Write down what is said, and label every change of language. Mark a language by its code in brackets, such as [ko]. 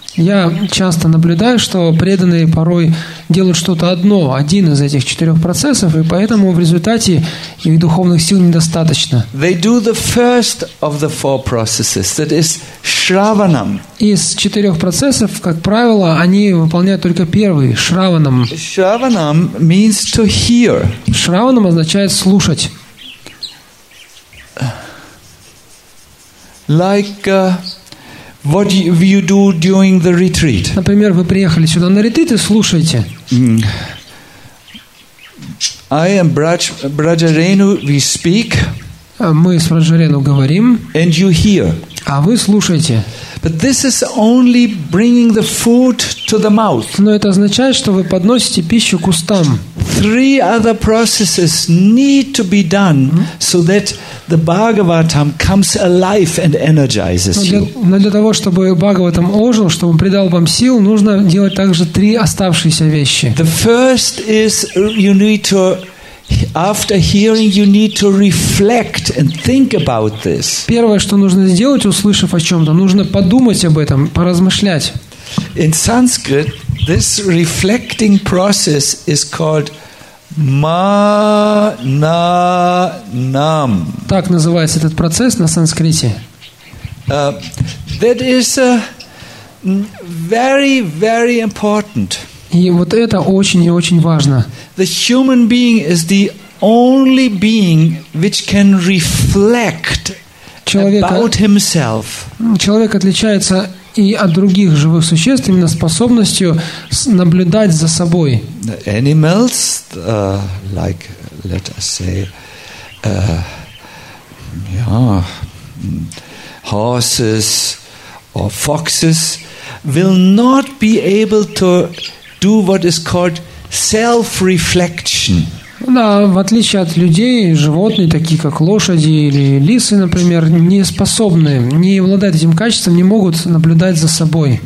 [ru] Я часто наблюдаю, что преданные порой делают что-то одно, один из этих четырех процессов, и поэтому в результате их духовных сил недостаточно. [en] They do the first of the four processes, that is shravanam. [ru] Из четырех процессов, как правило, они выполняют только первый, shravanam. [en] Shravanam means to hear. [ru] Shravanam означает слушать. [en] Like what you do during the retreat. [ru] Например, вы приехали сюда на ретрит и слушаете. [en] I am Brajarenu, we speak. [ru] Мы с Брадж-Рену говорим. [en] And you hear. [ru] А вы слушаете. [en] But this is only bringing the food to the mouth. [ru] Но это означает, что вы подносите пищу к устам. [en] Three other processes need to be done so that the Bhagavatam comes alive and energizes you. [ru] Но для того, чтобы Бхагаватам ожил, чтобы он придал вам сил, нужно делать также три оставшиеся вещи. [en] The first is you need to, after hearing, you need to reflect and think about this. [ru] Первое, что нужно сделать, услышав о чем-то, нужно подумать об этом, поразмышлять. [en] In Sanskrit, this reflecting process is called mananam. [ru] Так называется этот процесс на санскрите. [en] That is very, very important. [ru] И вот это очень и очень важно. [en] The human being is the only being which can reflect about himself. [ru] Человек отличается и от других живых существ именно способностью наблюдать за собой. [en] Animals, like, let us say, horses or foxes will not be able to do what is called self-reflection. [ru] Да, в отличие от людей, животные, такие как лошади или лисы, например, не способны, не обладают этим качеством, не могут наблюдать за собой.